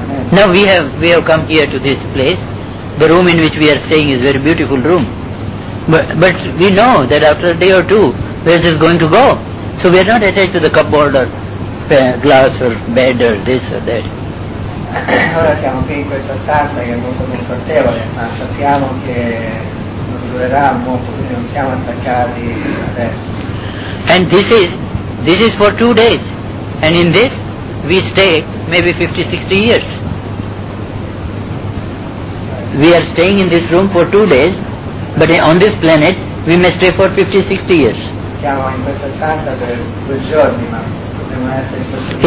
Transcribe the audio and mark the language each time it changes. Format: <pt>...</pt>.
<en>Now we have come here to this place. The room in which we are staying is a very beautiful room. But we know that after a day or two, where is this going to go? So we are not attached to the cupboard or glass or bed or this or that.</en> <it>Ora siamo qui in questa stanza che è molto confortevole, ma sappiamo che non durerà molto, quindi non siamo attaccati adesso.</it> <en>And this is for 2 days. And in this we stay maybe 50-60 years. We are staying in this room for 2 days, but on this planet we may stay for 50-60 years.</en> <it>Siamo in questa stanza per 2 giorni, ma potremmo essere in questo.</it>